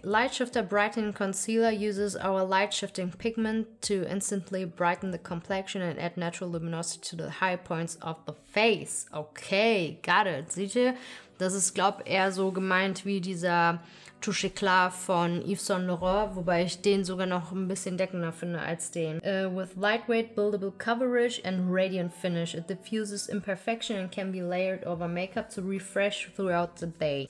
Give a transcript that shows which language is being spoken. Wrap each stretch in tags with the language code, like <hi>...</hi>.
<en>Light Shifter Brightening Concealer uses our light shifting pigment to instantly brighten the complexion and add natural luminosity to the high points of the face. Okay, got it.</en> <de>Seht ihr? Das ist, glaube ich, eher so gemeint wie dieser Touche Eclat von Yves Saint Laurent, wobei ich den sogar noch ein bisschen deckender finde als den.</de> <en>With lightweight buildable coverage and radiant finish, it diffuses imperfection and can be layered over makeup to refresh throughout the day.</en>